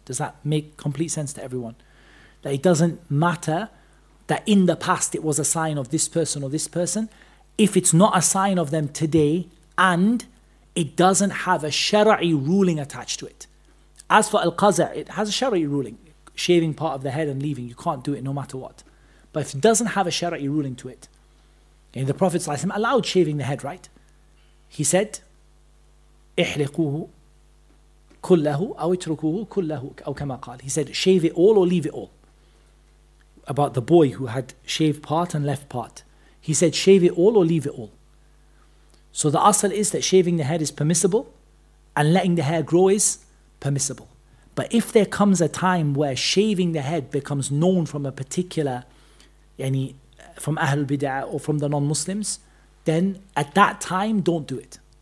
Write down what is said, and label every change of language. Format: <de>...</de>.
<en>Does that make complete sense to everyone? That it doesn't matter that in the past it was a sign of this person or this person, if it's not a sign of them today, and it doesn't have a shara'i ruling attached to it. As for al-qaza', it has a shara'i ruling. Shaving part of the head and leaving, you can't do it no matter what. But if it doesn't have a shara'i ruling to it, and the Prophet ﷺ allowed shaving the head, right? He said,</en> <ar>احرقوه كله أو اتركوه كله أو كما قال.</ar> <en>He said, shave it all or leave it all. About the boy who had shaved part and left part. He said, shave it all or leave it all. So the asal is that shaving the head is permissible and letting the hair grow is permissible. But if there comes a time where shaving the head becomes known from a particular, yani, from Ahlul Bid'ah or from the non-Muslims, then at that time, don't do it.</en>